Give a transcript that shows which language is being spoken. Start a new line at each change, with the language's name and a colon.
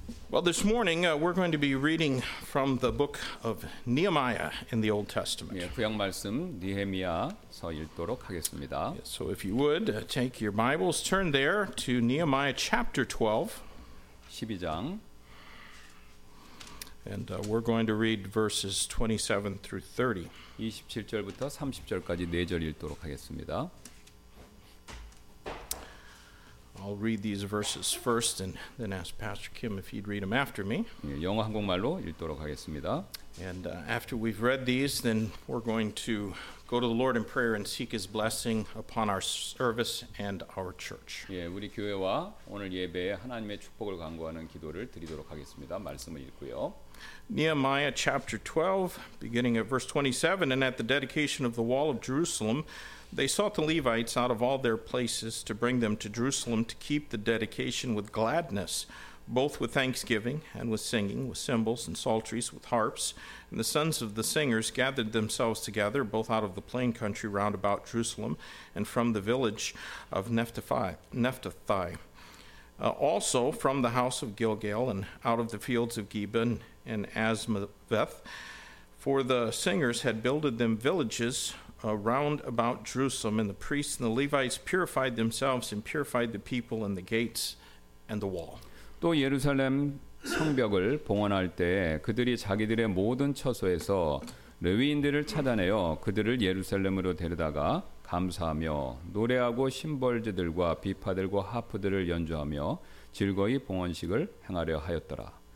English: Well, this morning we're going to be reading from the book of Nehemiah in the Old Testament.
Korean: 예, 구약 말씀 느헤미야서 읽도록 하겠습니다.
English: So if you would take your Bibles, turn there to Nehemiah chapter 12.
Korean: 12장.
English: And we're going to read verses 27 through 30.
Korean: 27절부터 30절까지 네 절 읽도록 하겠습니다.
English: I'll read these verses first and then ask Pastor Kim if he'd read them after me.
Korean: 예, 영어 한국말로 읽도록 하겠습니다.
English: And after we've read these, then we're going to go to the Lord in prayer and seek his blessing upon our service and our church.
Korean: 예, 우리 교회와 오늘 예배에 하나님의 축복을 간구하는 기도를 드리도록 하겠습니다. 말씀을 읽고요.
English: Nehemiah chapter 12, beginning at verse 27, and at the dedication of the wall of Jerusalem, they sought the Levites out of all their places to bring them to Jerusalem to keep the dedication with gladness, both with thanksgiving and with singing, with cymbals and psalteries, with harps. And the sons of the singers gathered themselves together, both out of the plain country round about Jerusalem and from the village of Nephthathi. Also from the house of Gilgal and out of the fields of Geba and Azmaveth, for the singers had builded them villages round about Jerusalem, and the priests and the Levites purified themselves and purified the people and the gates and the wall.
Korean: 또 예루살렘 성벽을 봉헌할 때에 그들이 자기들의 모든 처소에서 레위인들을 찾아내어 그들을 예루살렘으로 데려다가 감사하며 노래하고 심벌즈들과 비파들과 하프들을 연주하며 즐거이 봉헌식을 행하려 하였더라.